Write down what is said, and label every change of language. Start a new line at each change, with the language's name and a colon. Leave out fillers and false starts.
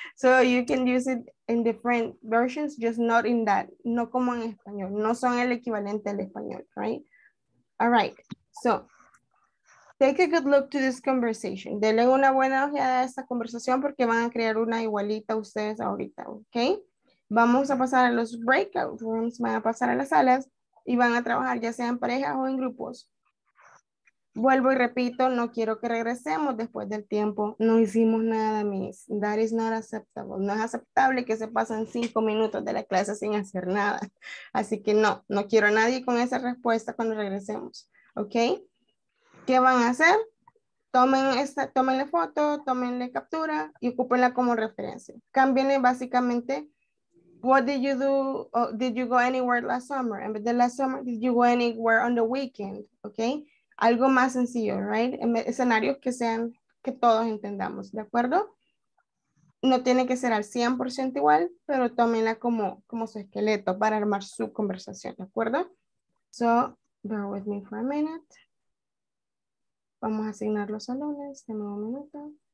English: So you can use it in different versions, just not in that.
Spanish: No como en español, no son el equivalente al español,
English: right? All right, so. Take a good look to this conversation.
Spanish: Denle una buena ojeada a esta conversación porque van a crear una igualita ustedes ahorita, ¿ok? Vamos a pasar a los breakout rooms, van a pasar a las salas y van a trabajar ya sea en parejas o en grupos. Vuelvo y repito, no quiero que regresemos después del tiempo. No hicimos nada, miss.
English: That is not acceptable.
Spanish: No es aceptable que se pasen 5 minutos de la clase sin hacer nada. Así que no, no quiero a nadie con esa respuesta cuando regresemos, ¿ok? ¿Qué van a hacer? Tómenle foto, tómenle captura y ocúpenla como referencia. Cámbienle básicamente
English: What did you do? Oh, did you go anywhere last summer? And the last summer, did you go anywhere on the weekend? Okay.
Spanish: Algo más sencillo,
English: right?
Spanish: Escenarios que sean, que todos entendamos, ¿de acuerdo? No tiene que ser al 100% igual, pero tómenla como, como su esqueleto para armar su conversación, ¿de acuerdo?
English: So, bear with me for a minute.
Spanish: Vamos a asignar los salones, tengo un minuto.